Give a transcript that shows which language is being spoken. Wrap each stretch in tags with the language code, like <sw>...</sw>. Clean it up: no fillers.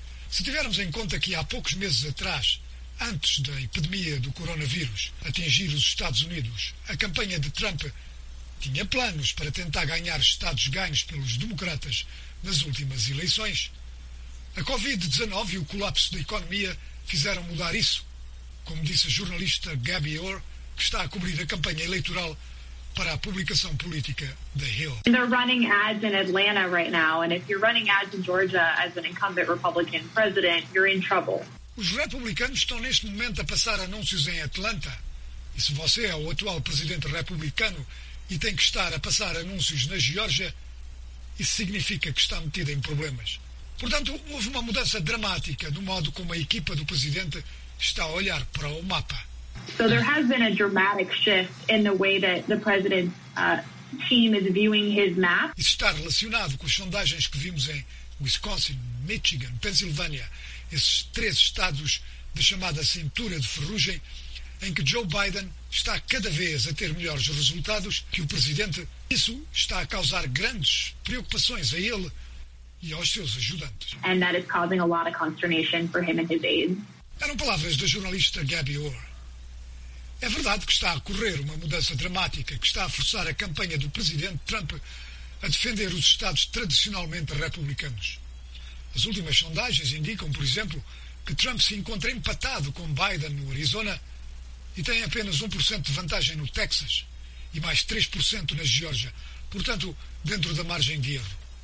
<pt>Se tivermos em conta que há poucos meses atrás, antes da epidemia do coronavírus atingir os Estados Unidos, a campanha de Trump tinha planos para tentar ganhar estados ganhos pelos democratas nas últimas eleições, a Covid-19 e o colapso da economia fizeram mudar isso, como disse a jornalista Gabby Orr, que está a cobrir a campanha eleitoral para a publicação política The Hill.</pt> <en>They're running ads in Atlanta right now, and if you're running ads in Georgia as an incumbent Republican president, you're in trouble.</en> <pt>Os republicanos estão neste momento a passar anúncios em Atlanta. E se você é o atual presidente republicano e tem que estar a passar anúncios na Geórgia, isso significa que está metido em problemas. Portanto, houve uma mudança dramática no modo como a equipa do presidente está a olhar para o mapa.</pt> <en>So there has been a dramatic shift in the way that the president's team is viewing his map.</en> <pt>Isso está relacionado com as sondagens que vimos em Wisconsin, Michigan, Pensilvânia, esses três estados da chamada cintura de ferrugem, em que Joe Biden está cada vez a ter melhores resultados que o presidente. Isso está a causar grandes preocupações a ele e aos seus ajudantes.</pt> <en>And that is causing a lot of consternation for him and his aides.</en> <pt>Eram palavras da jornalista Gabby Orr. É verdade que está a ocorrer uma mudança dramática que está a forçar a campanha do presidente Trump a defender os estados tradicionalmente republicanos. As últimas sondagens indicam, por exemplo, que Trump se encontra empatado com Biden no Arizona e tem apenas 1% de vantagem no Texas e mais 3% na Geórgia, portanto, dentro da margem de erro.</pt>